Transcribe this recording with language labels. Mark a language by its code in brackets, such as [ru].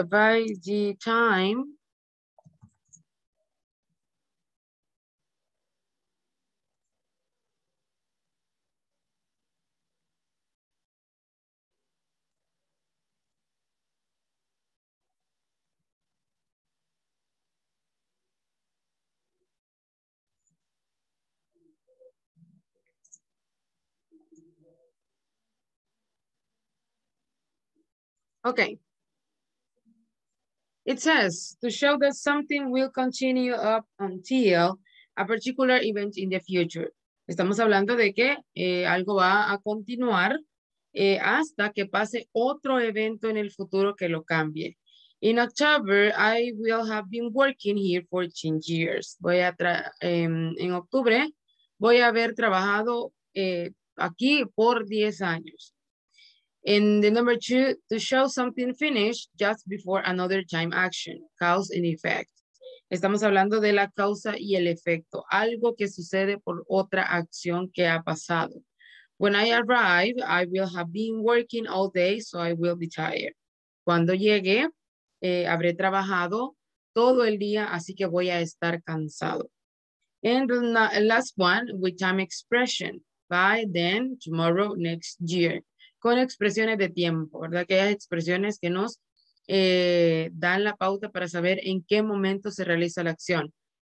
[en] by the time okay. It says to show that something will continue up until a particular event in the future. [es] Estamos hablando de que algo va a continuar hasta que pase otro evento en el futuro que lo cambie. [en] In October, I will have been working here for 10 years. [es] En octubre voy a haber trabajado aquí por 10 años. [en] In the number two, to show something finished just before another time action, cause and effect. [es] Estamos hablando de la causa y el efecto, algo que sucede por otra acción que ha pasado. [en] When I arrive, I will have been working all day, so I will be tired. [es] Cuando llegue, habré trabajado todo el día, así que voy a estar cansado. [en] And the last one, with time expression, by then, tomorrow, next year. [es] Con expresiones de tiempo, ¿verdad? Aquellas expresiones que nos dan la pauta para saber en qué momento se realiza la acción.